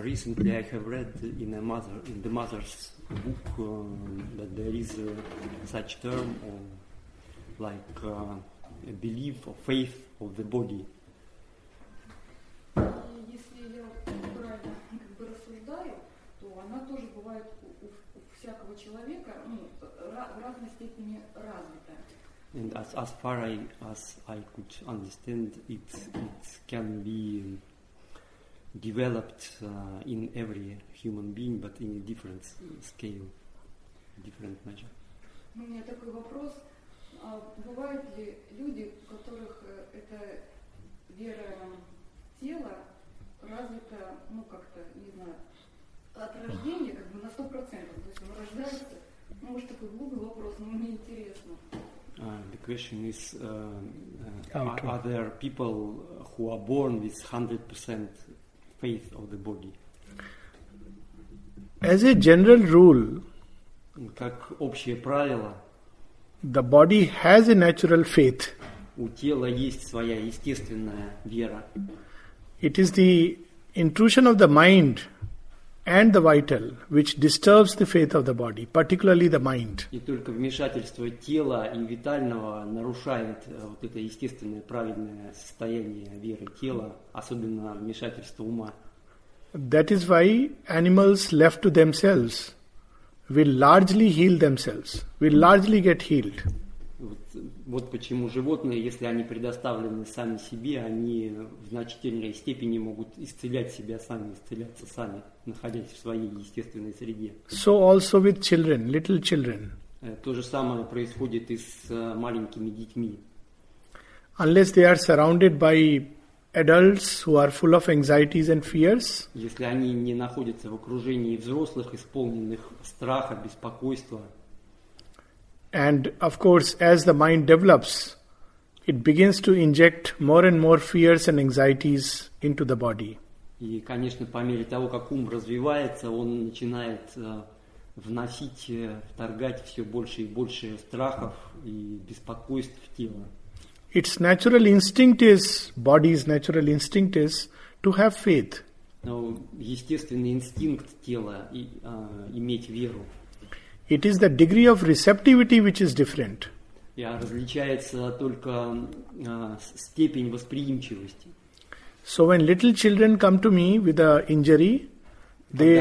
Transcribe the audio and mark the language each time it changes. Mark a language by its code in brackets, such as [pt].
[en] Recently, I have read in the mother's book that there is such term of like a belief or faith of the body. [ru] Если я правильно как бы рассуждаю, то она тоже бывает у всякого человека, ну, в разной степени развита. [en] And as far as I could understand, it can be developed in every human being, but in a different scale, different measure. [ru] У меня такой вопрос: бывают ли люди, у которых эта вера тела развита, ну как-то, не знаю, от рождения, как бы на 100%, то есть он рождается? Может, такой глупый вопрос, но мне интересно. [en] The question is, are there people who are born with 100% faith of the body? As a general rule, [ru] как общее правило, [en] the body has a natural faith. [ru] У тела есть своя естественная вера. [en] It is the intrusion of the mind and the vital which disturbs the faith of the body, particularly the mind. [ru] И только вмешательство тела и витального нарушает вот это естественное правильное состояние веры тела, особенно вмешательство ума. [en] That is why animals left to themselves will largely heal themselves, will largely get healed. [ru] Вот почему животные, если они предоставлены сами себе, они в значительной степени могут исцелять себя сами, исцеляться сами, находясь в своей естественной среде. [en] So also with children, little children. [ru] То же самое происходит и с маленькими детьми. [en] Unless they are surrounded by adults who are full of anxieties and fears. [ru] Если они не находятся в окружении взрослых, исполненных страха, беспокойства. [en] And of course, as the mind develops, it begins to inject more and more fears and anxieties into the body. [ru] И, конечно, по мере того, как ум развивается, он начинает вносить, вторгать все больше и больше страхов и беспокойств в тело. [en] Its natural instinct is, body's natural instinct is to have faith. [ru] Но естественный инстинкт тела и иметь веру. [en] It is the degree of receptivity which is different. [ru] Yeah, различается только степень восприимчивости. [en] So when little children come to me with an injury, they...